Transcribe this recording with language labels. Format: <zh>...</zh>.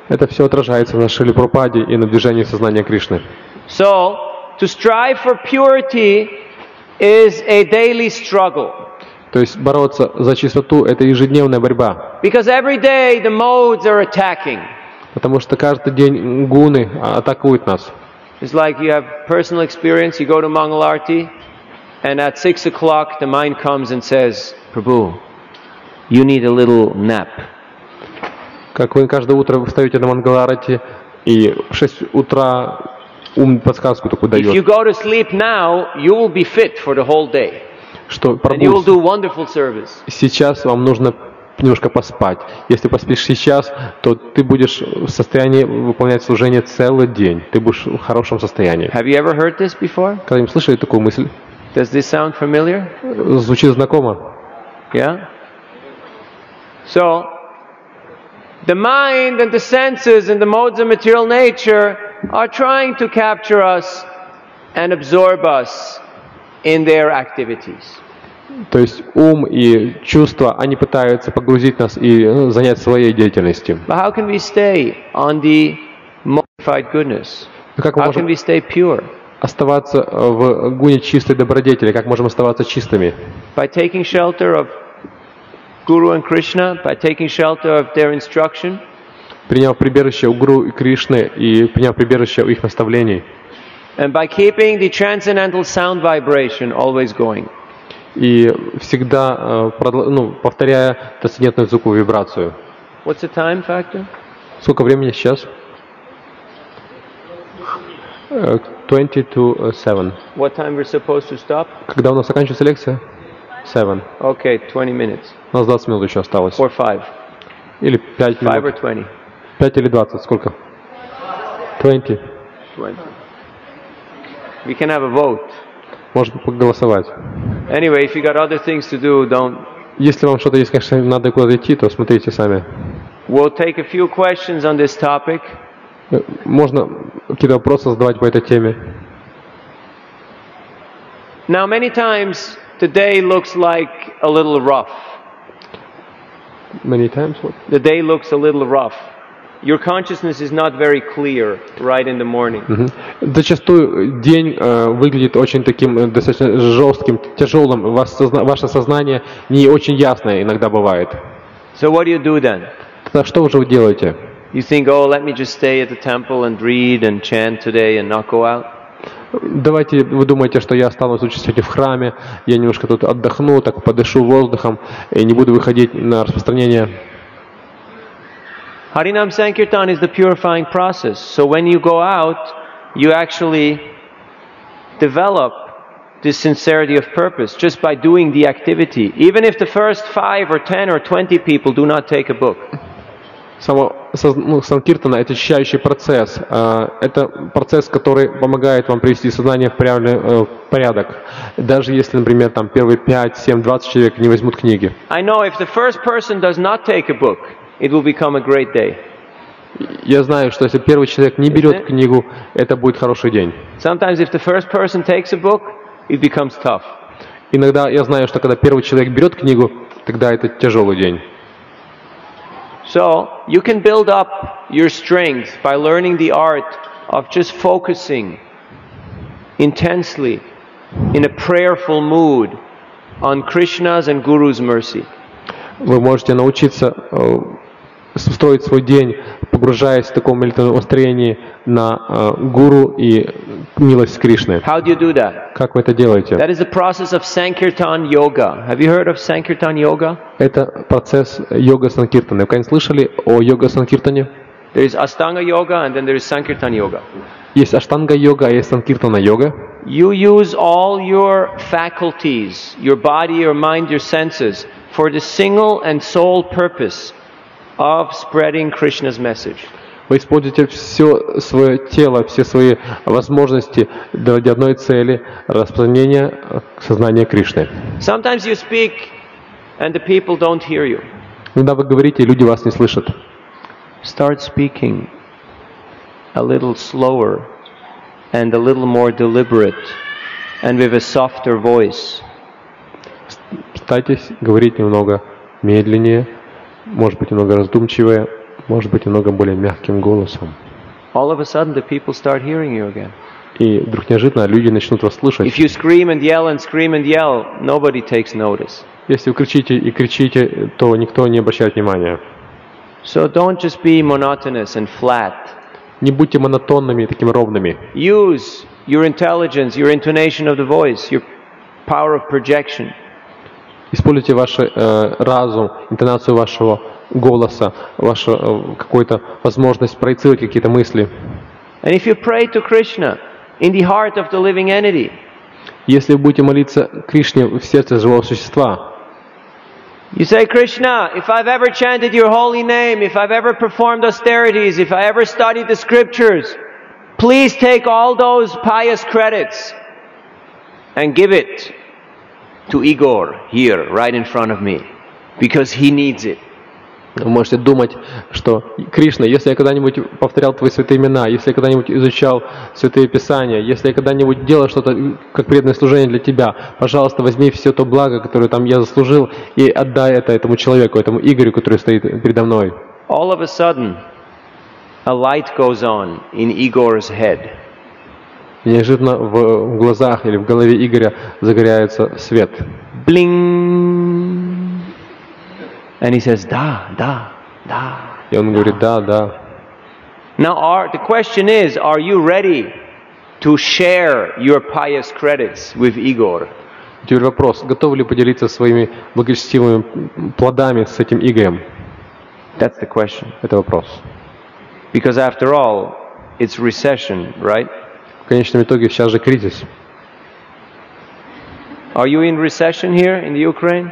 <ru>Это все отражается на Шриле Прабхупаде и на движении сознания Кришны.</ru> <en>So, to strive for purity is a daily struggle.</en> <ru>То есть бороться за чистоту – это ежедневная борьба.</ru> <en>Because every day the modes are attacking.</en> <ru>Потому что каждый день гуны атакуют нас.</ru> <en>It's like you have personal experience, you go to Mangal Arati, and at 6 o'clock, the mind comes and says, "Prabhu, you need a little nap."</en> <ru>Как вы каждое утро встаете на Мангаларати и в 6 утра ум подсказку такую дает.</ru> <en>If you go to sleep now, you will be fit for the whole day.</en> <ru>Что,</ru> <en>and you will do wonderful service.</en> <ru>Сейчас вам нужно немножко поспать. Если поспишь сейчас, то ты будешь в состоянии выполнять служение целый день. Ты будешь в хорошем состоянии.</ru> <en>Have you ever heard this before?</en> <ru>Когда-нибудь слышали такую мысль?</ru> <en>Does this sound familiar?</en> <ru>Звучит знакомо.</ru> <en>Yeah? So, the mind and the senses and the modes of material nature are trying to capture us and absorb us in their activities.</en> <ru>То есть ум и чувства, они пытаются погрузить нас и занять своей деятельностью.</ru> <en>But how can we stay on the modified goodness?</en> <ru>Как мы можем оставаться в гуне чистой добродетели? Как можем оставаться чистыми?</ru> <en>By taking shelter of Guru and Krishna, by taking shelter of their instruction.</en> <ru>Приняв прибежище у Гуру и Кришны и приняв прибежище у их наставлений.</ru> <en>And by keeping the transcendental sound vibration always going.</en> <ru>И всегда повторяя трансцендентную звуковую вибрацию.</ru> <en>What's the time factor?</en> <ru>Сколько времени сейчас?</ru> <en>20 to 7. What time we're supposed to stop?</en> <ru>Когда у нас заканчивается лекция? 7.</ru> <en>Okay, 20 minutes.</en> <ru>У нас 20 минут еще осталось.</ru> <en>Or 5.</en> <ru>Или 5 5 минут.</ru> <en>5 or 20.</en> <ru>5 или 20, сколько?</ru> <en>20. 20. We can have a vote.</en> <ru>Может поголосовать.</ru> <en>Anyway, if you got other things to do, don't.</en> <ru>Если вам что-то есть, конечно, надо куда-то идти, то смотрите сами.</ru> <en>We'll take a few questions on this topic.</en> <ru>Можно какие-то вопросы задавать по этой теме.</ru> <en>Now many times the day looks like a little rough. Many times what? The day looks a little rough. Your consciousness is not very clear right in the morning.</en> <ru>Зачастую день выглядит очень таким достаточно жестким, тяжелым. Ваше сознание не очень ясное иногда бывает.</ru> <en>So what do you do then?</en> <ru>Тогда что же вы делаете?</ru> <en>You think, oh, let me just stay at the temple and read and chant today and not go out?</en> <ru>Давайте вы думаете, что я останусь участвовать в храме, я немножко тут отдохну, так подышу воздухом и не буду выходить на распространение.</ru> <en>Харинам Санкиртан is the purifying process. So when you go out, you actually develop this sincerity of purpose just by doing the activity. Even if the first 5 or 10 or 20 people do not take a book.</en> <ru>Санкиртана – это очищающий процесс. Это процесс, который помогает вам привести сознание в правильный порядок. Даже если, например, там первые 5, 7, 20 человек не возьмут книги.</ru> <en>I know if the first person does not take a book, it will become a great day.</en> <ru>Я знаю, что если первый человек не берет книгу, это будет хороший день.</ru> <en>Sometimes if the first person takes a book, it becomes tough.</en> <ru>Иногда я знаю, что когда первый человек берет книгу, тогда это тяжелый день.</ru> <en>So you can build up your strength by learning the art of just focusing intensely in a prayerful mood on Krishna's and Guru's mercy.</en> <ru>Вы можете научиться строить свой день, погружаясь в таком молитвенном устроении на гуру и милость Кришны.</ru> <en>How do you do that?</en> <ru>Как вы это делаете?</ru> <en>That is the process of Sankirtan Yoga. Have you heard of Sankirtan Yoga?</en> <ru>Это процесс йога Санкиртаны. Вы когда-нибудь слышали о йога Санкиртане?</ru> <en>There is Ashtanga Yoga and then there is Sankirtan Yoga.</en> <ru>Есть Аштанга Йога, а есть Санкиртана Йога.</ru> <en>You use all your faculties, your body, your mind, your senses for the single and sole purpose of spreading Krishna's message.</en> <ru>Вы используете все свое тело, все свои возможности для одной цели распространения сознания Кришны.</ru> <en>Sometimes you speak and the people don't hear you.</en> <ru>Когда вы говорите, люди вас не слышат.</ru> <en>Start speaking a little slower and a little more deliberate and with a softer voice.</en> <ru>Старайтесь говорить немного медленнее. Может быть, немного раздумчивее, может быть, немного более мягким голосом.</ru> <en>All of a sudden the people start hearing you again.</en> <ru>И вдруг неожиданно люди начнут вас слышать.</ru> <en>If you scream and yell and scream and yell, nobody takes notice.</en> <ru>Если вы кричите и кричите, то никто не обращает внимания.</ru> <en>So don't just be monotonous and flat.</en> <ru>Не будьте монотонными и такими ровными.</ru> <en>Use your intelligence, your intonation of the voice, your power of projection.</en> <ru>Используйте ваш разум, интонацию вашего голоса, вашу какую-то возможность проецировать какие-то мысли.</ru> <en>And if you pray to Krishna in the heart of the living entity,</en> <ru>если вы будете молиться Кришне в сердце живого существа,</ru> <en>you say, Krishna, if I've ever chanted your holy name, if I've ever performed austerities, if I ever studied the scriptures, please take all those pious credits and give it to Igor here, right in front of me, because he needs it.</en> <ru>Вы можете думать, что Кришна, если я когда-нибудь повторял твои святые имена, если я когда-нибудь изучал святые писания, если я когда-нибудь делал что-то как преданное служение для тебя, пожалуйста, возьми все то благо, которое там я заслужил, и отдай это этому человеку, этому Игорю, который стоит передо мной.</ru> <en>All of a sudden, a light goes on in Igor's head.</en> <ru>Неожиданно в глазах или в голове Игоря загорается свет.</ru> <en>Bling. And he says,</en> <ru>да, да, да. И он говорит, да, да.</ru> <en>Now, the question is, are you ready to share your pious credits with Igor?</en> <ru>Теперь вопрос, готовы ли поделиться своими благочестивыми плодами с этим Игорем?</ru> <en>That's the question.</en> <ru>Это вопрос.</ru> <en>Because after all, it's recession, right?</en> <ru>В конечном итоге сейчас же кризис.</ru> <en>Are you in recession here in the Ukraine?</en>